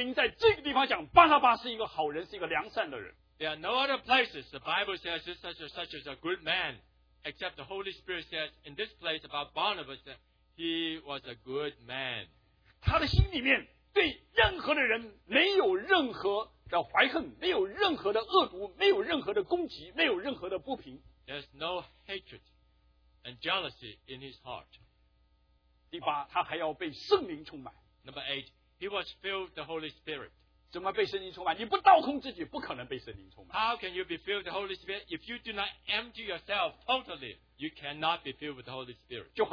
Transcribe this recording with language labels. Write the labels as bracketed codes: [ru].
[zh] 圣经上面没有讲很多的人是好人，甚至没有讲别的地方讲任何人是好人，就只有圣灵在这个地方讲巴拿巴是一个好人，是一个良善的人。 [en] There are no other places the Bible says such as a good man, except the Holy Spirit says in this place about Barnabas that he was a good man. [zh] 他的心里面对任何的人没有任何的怀恨，没有任何的恶毒，没有任何的攻击，没有任何的不平。 [en] There's no hatred and jealousy in his heart. [zh] 第八, 他还要被圣灵充满。 [en] Number eight, he was filled with the Holy Spirit. [zh] 怎么被圣灵充满? 你不倒空自己, 不可能被圣灵充满。 [en] How can you be filled with the Holy Spirit? If you do not empty yourself totally, you cannot be filled with the Holy Spirit.